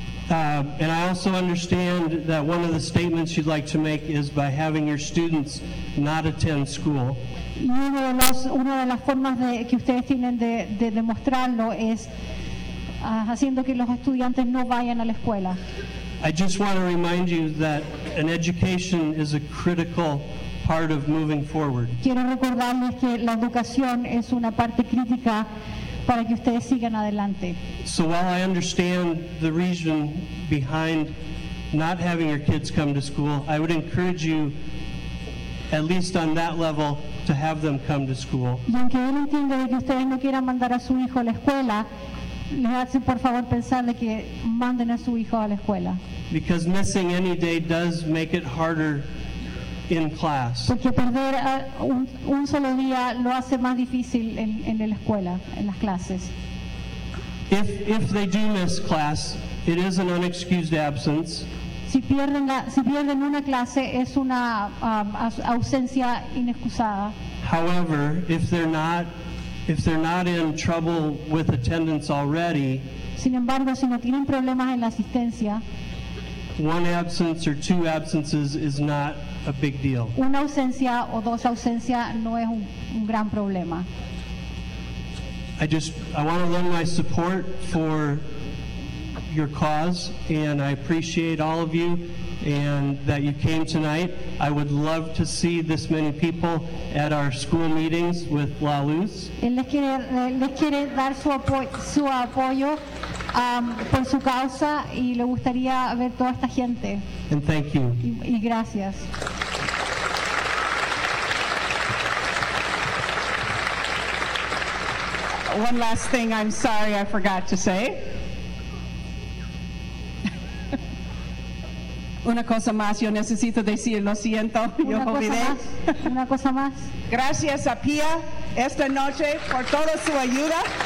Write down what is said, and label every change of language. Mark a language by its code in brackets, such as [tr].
[en] And I also understand that one of the statements you'd like to make is by having your students not attend school. [es] Y una de las formas que ustedes tienen de demostrarlo es haciendo que los estudiantes no vayan a la escuela. [en] I just want to remind you that an education is a critical part of moving forward. [es] Quiero recordarles que la educación es una parte crítica para que ustedes sigan adelante. [en] So while I understand the reason behind not having your kids come to school, I would encourage you, at least on that level, to have them come to school. [es] Y aunque yo entiendo de que ustedes no quieran mandar a su hijo a la escuela, les hacen por favor pensar de que manden a su hijo a la escuela. [en] Because missing any day does make it harder in class. [es] Porque perder un solo día lo hace más difícil en la escuela, en las clases. [en] If they do miss class, it is an unexcused absence. [es] Si pierden una clase, es una ausencia inexcusada. [en] However, if they're not in trouble with attendance already, [es] sin embargo, si no tienen problemas en la asistencia, [en] one absence or two absences is not a big deal. [es] Una ausencia o dos ausencias no es un gran problema. [en] I want to lend my support for your cause, and I appreciate all of you and that you came tonight. I would love to see this many people at our school meetings with La Luz. [es] Les quiere dar su apoyo por su causa, y le gustaría ver toda esta gente. [en] And thank you. [es] Y gracias. [en] One last thing I'm sorry I forgot to say. [es] Una cosa más, yo necesito decir, lo siento, yo olvidé. Una cosa más. Gracias a Pia esta noche por toda su ayuda.